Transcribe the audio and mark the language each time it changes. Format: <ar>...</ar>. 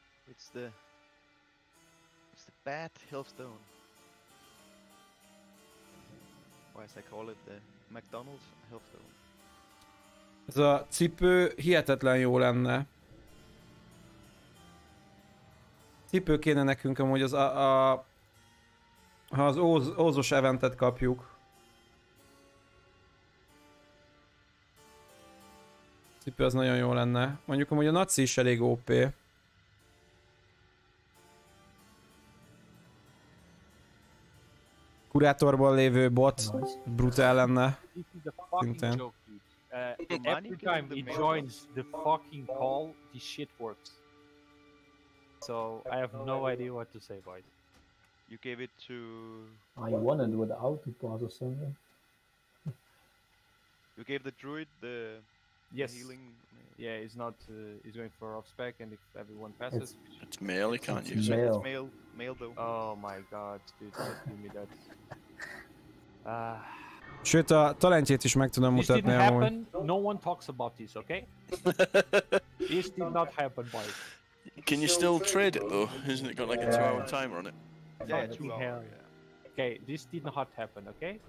<en>It's the bad hillstone. Why is I call it the McDonald's hillstone?</en> <hu>Ez a cipő hihetetlen jó lenne. Cipő kéne nekünk amúgy az a ha az ózos eventet kapjuk. Cipő az nagyon jó lenne. Mondjuk amúgy a naci is elég OP. Kurátorban lévő bot brutál lenne. Szintén.</hu> <en>Every time it joins the fucking call, this shit works. So I have no idea what to say, boys. You gave it to. I wanted without to pause or something. You gave the druid the. Yes. Healing. Yeah, it's not. It's going for off spec, and if everyone passes. It's male. He can't it's use male. It. It's male. Male though. Oh my god, dude! Don't give me that.</en> <hu>Sőt, a talentjét is meg tudom mutatni amúgy.</hu> <en>This didn't happen. No one talks about this, okay? This did not happen, boy. Can you still trade it though? Isn't it got like a 2-hour timer on it? Yeah, 2 hours. Okay, this did not happen, okay?</en>